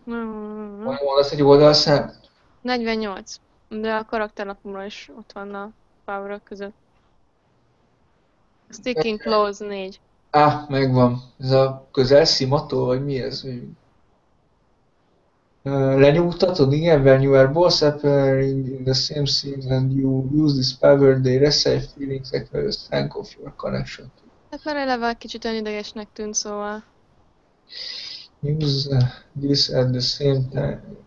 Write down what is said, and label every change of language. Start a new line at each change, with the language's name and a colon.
Hungarian: Van lesz egy oldalszám? 48. De a karakternapomról is ott van a power-ok között. Sticking close 4. Megvan. Ez a közel szimató, vagy mi ez? Lenyugtatod? Igen,
English: when you are both appearing in the same scene and you use this power, they receive feelings like the strength of your connection.
Hungarian: Hát már eleve kicsit önidegesnek tűnt, szóval.
English: Use this at the same time.